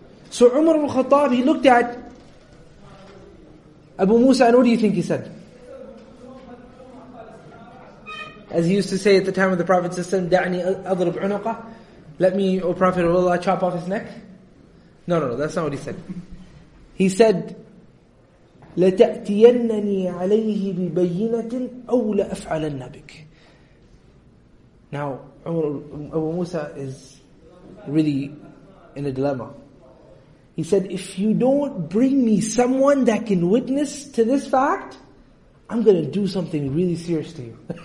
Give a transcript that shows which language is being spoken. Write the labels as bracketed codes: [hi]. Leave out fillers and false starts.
[en] So Umar al-Khattab, he looked at Abu Musa, and what do you think he said? As he used to say at the time of the Prophet ﷺ, [ar] "Da'ni adrib 'unuqah," [en] let me, O Prophet of Allah, chop off his neck. No, that's not what he said. [ar] He said, "لَتَأْتِيَنَّنِي عَلَيْهِ بِبَيِّنَةٍ أَوْ لَأَفْعَلَنَّ بِكَ." [en] Now, Abu Musa is really in a dilemma. He said, if you don't bring me someone that can witness to this fact, I'm going to do something really serious to you.